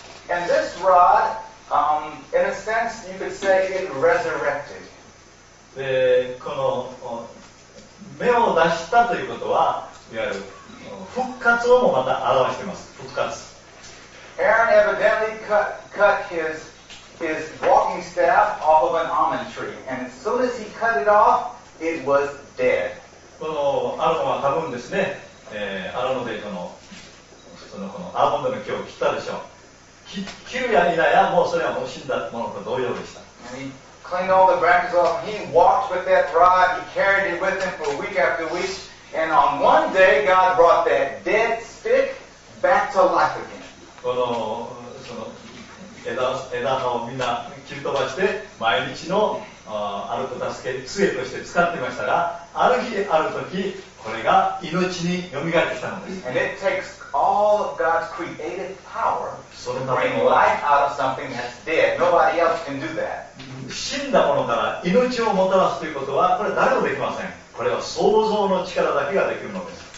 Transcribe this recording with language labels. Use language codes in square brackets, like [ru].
[en] And this rod, in a sense, you could say it resurrected. [ja] でこの目を出したということはいわゆる復活をもまた表しています。復活。 [en] Aaron evidently cut his walking staff off of an almond tree, and as soon as he cut it off, it was dead. [ja] このアロンは多分ですね、アロンでこのアーモンドの木を切ったでしょう。切るやいないや、もうそれはもう死んだものと同様でした。 [en] And he cleaned all the branches off. He walked with that rod. He carried it with him for week after week. And on one day, God brought that dead stick back to life again. [ja] このその枝をみんな切り飛ばして毎日の歩く助け杖として使っていましたが、ある日ある時これが命によみがえってきたのです。 [en] And it takes all of God's creative power to bring life out of something that's dead. Nobody else can do that. [ja] 死んだものから命をもたらすということはこれ誰もできません。これは創造の力だけができるのです。